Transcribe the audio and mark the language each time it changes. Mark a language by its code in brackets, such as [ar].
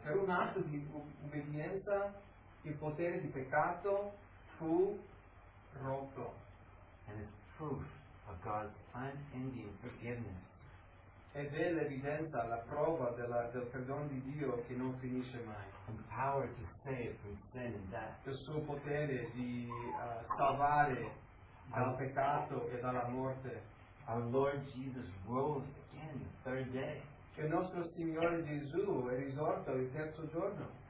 [it] Per un atto di obbedienza, il potere di peccato fu rotto. [en] And it's proof of God's unending forgiveness. [it] Ed è l'evidenza, la prova del perdono di Dio che non finisce mai. [en] The power to save from sin and death. [it] Il suo potere di salvare dal peccato e dalla morte. [en] Our Lord Jesus rose again the third day. [it] Che nostro Signore Gesù è risorto il terzo giorno.